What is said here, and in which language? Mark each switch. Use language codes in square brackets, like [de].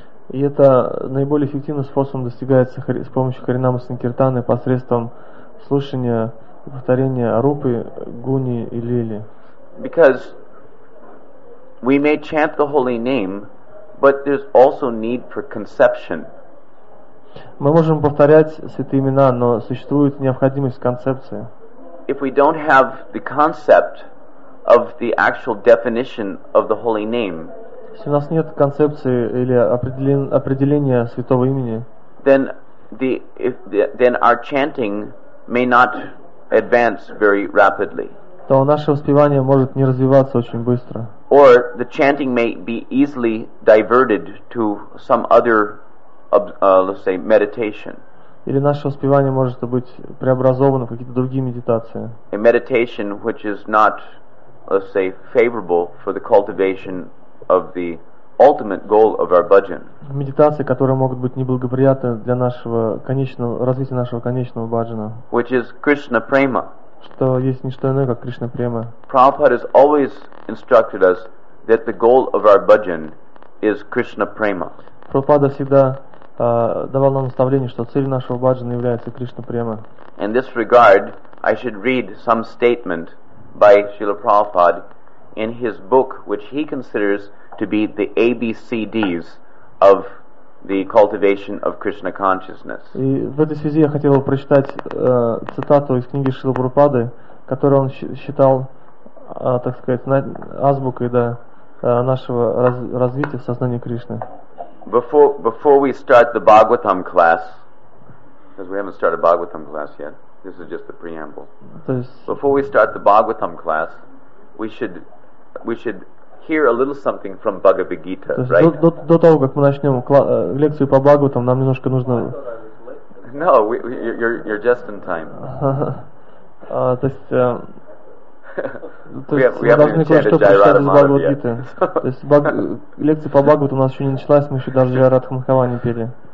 [ru] И это наиболее эффективным способом достигается с помощью Харинама Санкиртаны посредством слушания и повторения Рупы, Гуни и Лили. [en] Because we may chant the holy name, but there's also need for conception. [ru] Мы можем повторять святые имена, но существует необходимость в концепции. [en] If we don't have the concept of the actual definition of the holy name, [ru] если у нас нет концепции или определения святого имени, [en] then our chanting may not advance very rapidly. [ru] То наше воспевание может не развиваться очень быстро. [en] Or the chanting may be easily diverted to some other let's say meditation. [ru] Или наше воспевание может быть преобразовано в какие-то другие медитации. [en] A meditation which is not, let's say, favorable for the cultivation of the ultimate goal of our bhajan. [ru] Медитации, которые могут быть неблагоприятны для нашего конечного развития нашего конечного бхаджана. [en] Which is Krishna prema. [ru] Что есть не что иное, как Кришна према. [en] Prabhupada has always instructed us that the goal of our bhajan is Krishna prema. [ru] Prabhupada всегда давал нам наставление, что целью нашего бхаджана является Кришна према. [en] In this regard, I should read some statement by Srila Prabhupada in his book, which he considers to be the ABCDs of the cultivation of Krishna consciousness. [ru] И в этой связи я хотел бы прочитать цитату из книги Шрилы Прабхупады, которую он считал, так сказать, азбукой нашего развития в сознании Кришны. [en] Before we start the Bhagavatam class, because we haven't started Bhagavatam class yet, this is just the preamble. Before we start the Bhagavatam class, we should hear a little something from Bhagavad Gita, right? [ru] До того, как мы начнем лекцию по Бхагаватам, нам немножко нужно... [en] No, you're just in time. [ru] То есть... То есть мы должны кое-что прочитать из Бхагавад Гиты. То есть лекция по Бхагавату у нас еще не началась, мы еще даже Джайарадха Махавани пели.